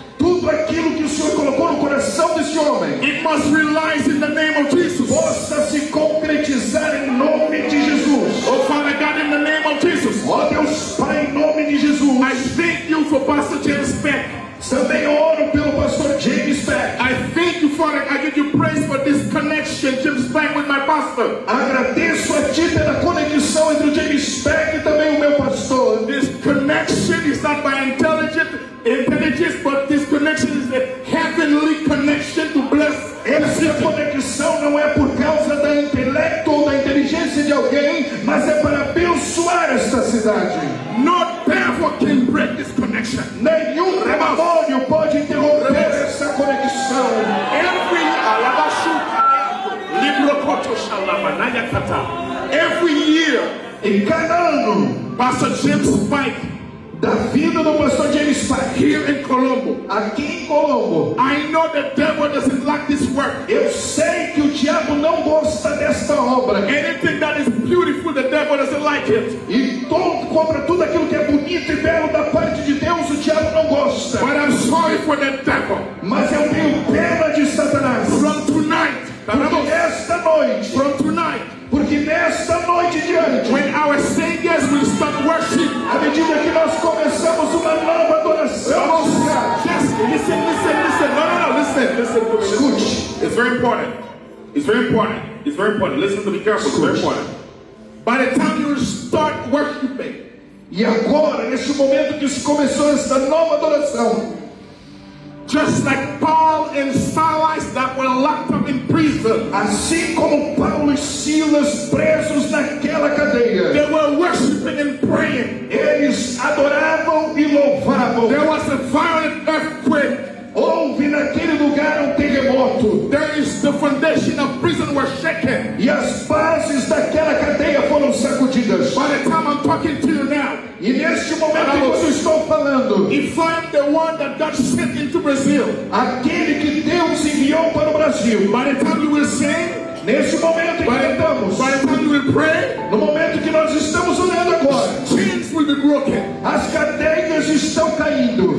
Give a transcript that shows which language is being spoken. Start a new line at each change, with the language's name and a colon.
Portuguese: tudo aquilo que o Senhor colocou no coração deste homem,
English: it must realize in the name of Jesus.
Portuguese: Possa se concretizar em nome de Jesus.
English: Oh Father God, in the name of Jesus.
Portuguese: Oh Deus Pai, em nome de Jesus.
English: I thank you for Pastor James Beck.
Portuguese: Também oro pelo Pastor James Paek.
English: I thank you, Father. I give you praise for this connection, James Paek, with my pastor.
Portuguese: Agradeço a ti pela conexão entre o James Paek e também o meu pastor.
English: This connection is not by intelligence, but this connection is a heavenly connection to bless.
Portuguese: Essa conexão não é por causa da intelecto ou da inteligência de alguém, mas é para abençoar esta cidade.
English: No devil can break this connection.
Portuguese: Nenhum demônio pode interromper essa conexão. Every alabashu libro koto shalama naya kata. Every year, em cada ano,
English: Pastor James Spike,
Portuguese: da vida do Pastor James Spike
English: here in Colombo,
Portuguese: aqui em Colombo.
English: I know the devil doesn't like this work.
Portuguese: Eu sei que o diabo não gosta desta obra.
English: Anything that is beautiful, the devil doesn't like it.
Portuguese: E cobra tudo aquilo que é bonito e belo da parte de Deus, o diabo não gosta.
English: But I'm sorry for the devil.
Portuguese: Mas eu tenho pena de Satanás.
English: From tonight,
Portuguese: porque esta noite.
English: From tonight.
Portuguese: Porque nesta noite diante,
English: when our singers will start worship,
Portuguese: à medida que nós começamos uma nova adoração,
English: yes, listen, listen, listen, no, no, no, listen, listen,
Portuguese: escute,
English: it's very important, it's very important, it's very important, listen to me careful, it's very important. By the time you start worshiping,
Portuguese: e agora nesse momento que se começou esta nova adoração,
English: just like Paul and Silas that were locked up in prison,
Portuguese: assim como Paulo e Silas presos naquela cadeia,
English: they were worshiping and praying.
Portuguese: Eles adoravam e louvavam.
English: There was a violent earthquake.
Portuguese: Houve naquele lugar terremoto.
English: There is the foundation of prison were shaken.
Portuguese: E as bases daquela cadeia foram sacudidas.
English: By the time I'm talking to you now.
Portuguese: E neste momento em que eu estou falando,
English: if I'm the one that God sent into Brazil,
Portuguese: aquele que Deus enviou para o Brasil,
English: by the time you will sing,
Portuguese: neste momento em que cantamos,
English: by the time you will pray,
Portuguese: no momento que nós estamos orando agora,
English: chains will be broken.
Portuguese: As cadeias estão caindo.